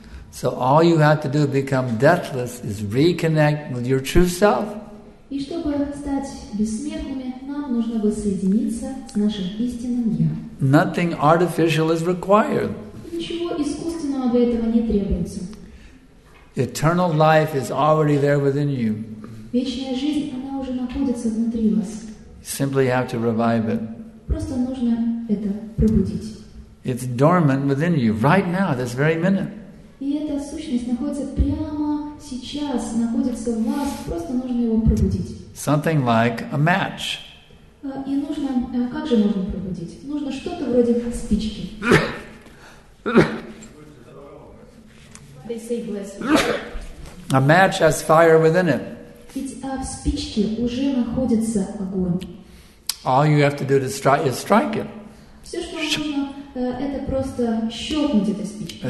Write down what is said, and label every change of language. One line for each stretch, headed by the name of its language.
English: So all you have to do to become deathless is reconnect with your true self.
Russian: И чтобы стать бессмертными, нам нужно воссоединиться с нашим истинным Я.
English: Nothing artificial is required.
Russian: Ничего искусственного для этого не требуется.
English: Eternal life is already there within you.
Russian: Вечная жизнь, она уже находится внутри вас.
English: Simply have to revive it.
Russian: Просто нужно это пробудить.
English: It's dormant within you right now, this very minute.
Russian: И эта сущность находится прямо сейчас, находится в вас, просто нужно его пробудить.
English: Something like a match.
Russian: И нужно, как же можно пробудить? Нужно что-то вроде спички.
English: They say a match has fire within it.
Russian: Ведь в спичке уже находится огонь.
English: All you have to do to is strike it.
Russian: Все, что вам нужно, это просто щелкнуть этой спичкой.